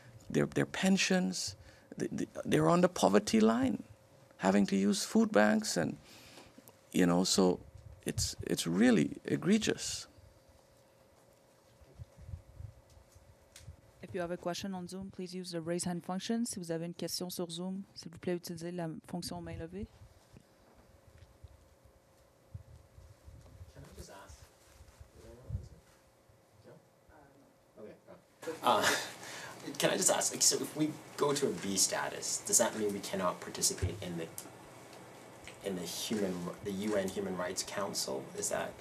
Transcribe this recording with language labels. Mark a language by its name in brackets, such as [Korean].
[English] Their pensions, they're on the poverty line, having to use food banks, and you know, so it's really egregious. If you have a question on Zoom, please use the raise hand function. [French] Si vous avez une question sur Zoom, s'il vous plaît, utilisez la fonction main levée. [English] Can I just ask, is there anyone on Zoom? No? Okay. Can I just ask, so if we go to a B status, does that mean we cannot participate in the UN Human Rights Council? Is that?